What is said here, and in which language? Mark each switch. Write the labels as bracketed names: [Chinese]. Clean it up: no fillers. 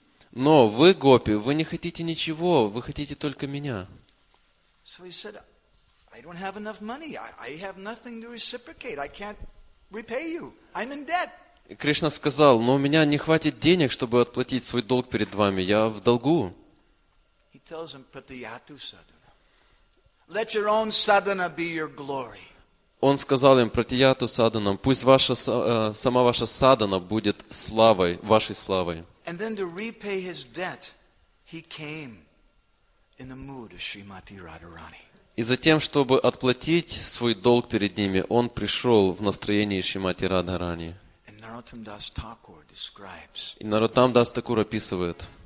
[Russian] но вы, гопи, вы не хотите ничего, вы хотите только меня. [English] So he said, I don't have enough money, I have nothing to reciprocate, I can't repay you, I'm in debt. [Russian] И Кришна сказал, но у меня не хватит денег, чтобы отплатить свой долг перед вами, я в долгу. [English] Tells him, [Sanskrit] "Pratiyatu sadhana. [English] Let your own sadhana be your glory." [Russian] Он сказал им, [Sanskrit] "Pratiyatu sadhana. [Russian] Пусть ваша сама ваша sadhana будет славой, вашей славой." [English] And then to repay his debt, he came in the mood of Srimati Radharani. [Russian] И затем, чтобы отплатить свой долг перед ними, он пришел в настроении Шримати Радхарани. [English] And Narottam Das Thakur describes. [Russian] И Narottam Das Thakur описывает.